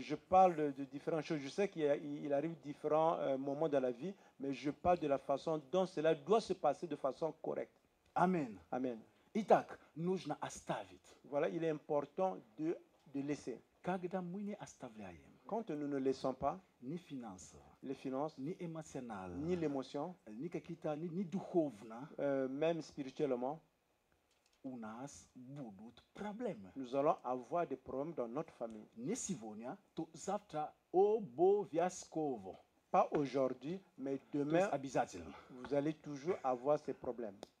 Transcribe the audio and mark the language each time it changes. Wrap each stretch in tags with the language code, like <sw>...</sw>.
<fr>je parle de différentes choses. Je sais qu'il arrive différents moments dans la vie, mais je parle de la façon dont cela doit se passer de façon correcte. Amen. Amen.</fr> <ru>Итак, нужно оставить.</ru> <fr>Voilà, il est important de laisser.</fr> <ru>Когда мы не оставляем,</ru> <fr>quand nous ne laissons pas, ni finance, les finances, ni émotionnel, ni l'émotion,</fr> <ru>ni какие-то, ni духовно,</ru> <fr>même spirituellement,</fr> <ru>у нас будут проблемы.</ru> <fr>Nous allons avoir des problèmes dans notre famille.</fr> <ru>Не сегодня, то завтра обовязково.</ru> <fr>Pas aujourd'hui, mais demain,</fr> <ru>то обязательно.</ru> <fr>Vous allez toujours avoir ces problèmes.</fr>